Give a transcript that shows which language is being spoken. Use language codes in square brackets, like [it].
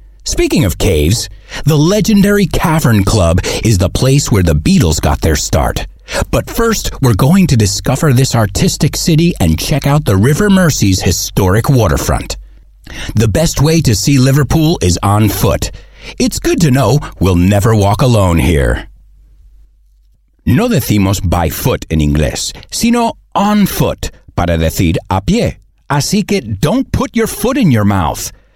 [en] Speaking of caves, the legendary Cavern Club is the place where the Beatles got their start. But first, we're going to discover this artistic city and check out the River Mersey's historic waterfront. The best way to see Liverpool is on foot. It's good to know we'll never walk alone here. [es] No decimos by foot in inglés, sino on foot, para decir a pie. Así que [en] don't put your foot in your mouth.